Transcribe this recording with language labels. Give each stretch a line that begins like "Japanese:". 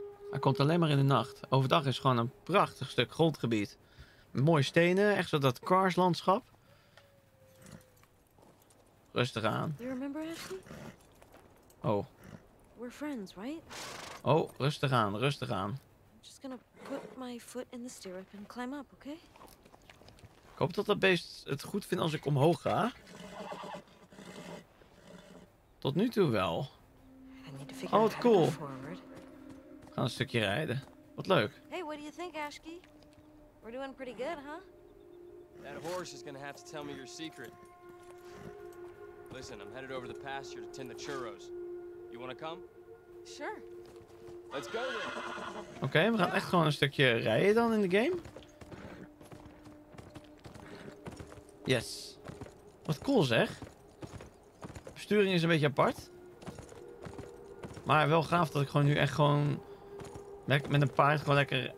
Dutch: Hij komt alleen maar in de nacht. Overdag is gewoon een prachtig stuk grondgebied. Met mooie stenen, echt zo dat Cars-landschap. Rustig aan.
English: Do you remember Ashley? Oh. We're friends, right?
Dutch: Oh, rustig aan, rustig aan.
English: I'm just gonna put my foot in the stirrup and climb up, okay?
Dutch: Ik hoop dat dat beest het goed vindt als ik omhoog ga. Tot nu toe wel. Oh, wat cool. We gaan een stukje rijden. Wat leuk.
English: Hey, what do you think, Ashki? We're doing pretty good, huh? That horse is gonna have to tell me your secret. Listen, I'm headed over the pasture to tend the churros. You wanna come? Sure. Let's go then.
Dutch: Oké, we gaan echt gewoon een stukje rijden dan in de game. Yes. Wat cool zeg. Besturing is een beetje apart. Maar wel gaaf dat ik gewoon nu echt gewoon... Met een paard gewoon lekker...